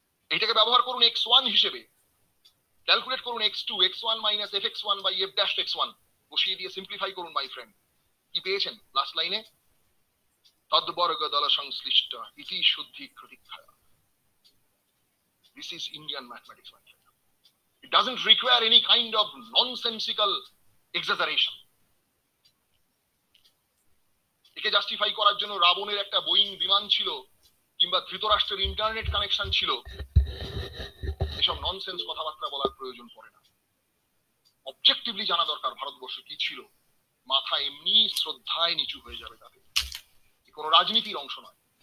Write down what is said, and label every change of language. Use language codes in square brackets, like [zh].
[bn] এইটাকে ব্যবহার করুন x1 হিসেবে, ক্যালকুলেট করুন x2, x1 minus fx1 by f dash x1, বসিয়ে দিয়ে সিম্পলিফাই করুন মাই ফ্রেন্ড। কি পেয়েছেন লাস্ট লাইনে? তদ্বর্গ দল সংশ্লিষ্ট ইতি শুদ্ধি প্রতীক্ষা। [en] This is Indian mathematics. It doesn't require any kind of nonsensical exaggeration. [bn] একে জাস্টিফাই করার জন্য রাবণের একটা বোয়িং বিমান ছিল কিংবা ধৃতরাষ্ট্রের ইন্টারনেট কানেকশন ছিল, এসব ননসেন্স কথাবার্তা বলার প্রয়োজন পড়ে না। অবজেক্টিভলি জানা দরকার ভারতবর্ষ কি ছিল, মাথা এমনি শ্রদ্ধায় নিচু হয়ে যাবে তাতে, কোন রাজনীতির অংশ নয়।